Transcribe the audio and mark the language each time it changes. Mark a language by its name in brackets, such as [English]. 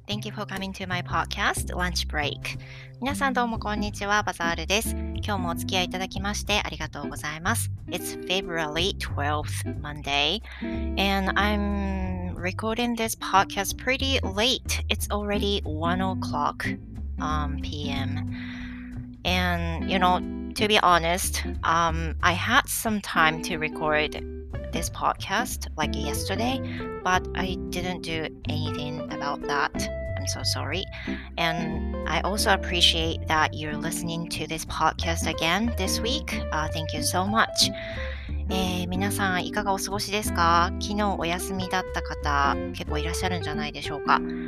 [English] Thank you for coming to my podcast, Lunch Break. [Japanese] 皆さんどうもこんにちは、バザールです。今日もお付き合いいただきましてありがとうございます。 [English] It's February 12th, Monday, and I'm recording this podcast pretty late. It's already 1 o'clock, p.m. And, you know, to be honest, I had some time to record this podcast like yesterday, but I didn't do anything about that. I'm so sorry. And I also appreciate that you're listening to this podcast again this week. Thank you so much. [Japanese] 皆さんいかがお過ごしですか？昨日お休みだった方結構いらっしゃるんじゃないでしょうか？